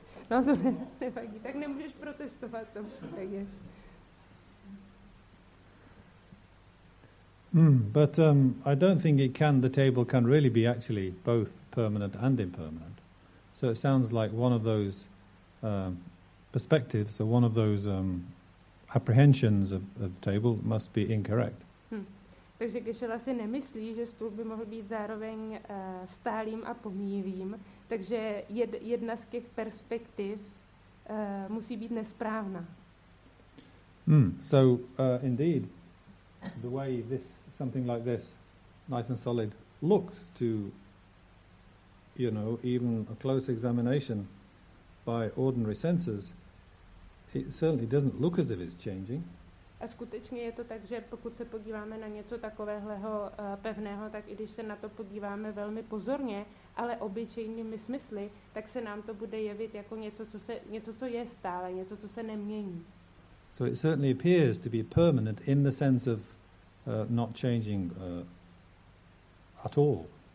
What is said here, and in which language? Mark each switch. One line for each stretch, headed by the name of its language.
Czech: No to nevadí, tak nemůžeš protestovat to. Tak je.
English: But I don't think it can, the table can really be actually both permanent and impermanent. So it sounds like one of those perspectives, or one of those apprehensions of the table must be incorrect.
Czech: Takže Geshe-la si nemyslí, že stůl by mohl být zároveň stálým a pomíjivým. Takže jedna z těch perspektiv musí být nesprávná.
English: So indeed, the way this something like this, nice and solid, looks to, you know, even a close examination by ordinary senses, it certainly doesn't look as if it's changing.
Czech: A skutečně je to tak, že pokud se podíváme na něco takového pevného, tak i když se na to podíváme velmi pozorně, ale obyčejnými smysly, tak se nám to bude jevit jako něco, co je stále, něco, co se nemění.
English: So it certainly appears to be permanent in the sense of not changing at all.